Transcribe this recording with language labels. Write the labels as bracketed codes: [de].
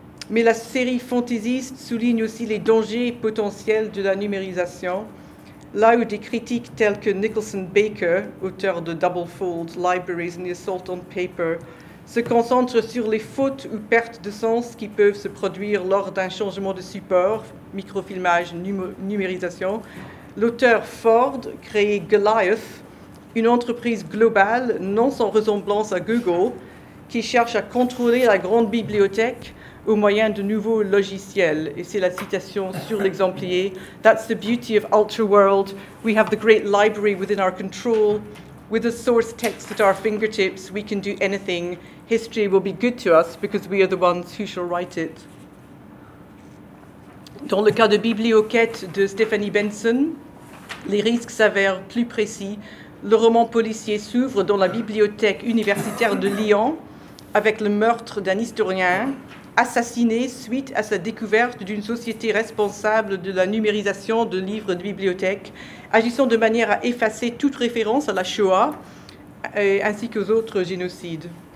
[fr] Mais la série fantaisiste souligne aussi les dangers potentiels de la numérisation, là où des critiques telles que Nicholson Baker, auteur de Double Fold, Libraries and the Assault on Paper, se concentre sur les fautes ou pertes de sens qui peuvent se produire lors d'un changement de support, microfilmage, numérisation. L'auteur Ford crée Goliath, une entreprise globale non sans ressemblance à Google, qui cherche à contrôler la grande bibliothèque au moyen de nouveaux logiciels. Et c'est la citation sur l'exemplier. [en] That's the beauty of Ultra World. We have the great library within our control. With the source text at our fingertips, we can do anything. History will be good to us because we are the ones who shall write it. [fr] Dans le cas de Biblioquette de Stephanie Benson, les risques s'avèrent plus précis. Le roman policier s'ouvre dans la bibliothèque universitaire de Lyon avec le meurtre d'un historien assassiné suite à sa découverte d'une société responsable de la numérisation de livres de bibliothèque, agissant de manière à effacer toute référence à la Shoah ainsi qu'aux autres génocides.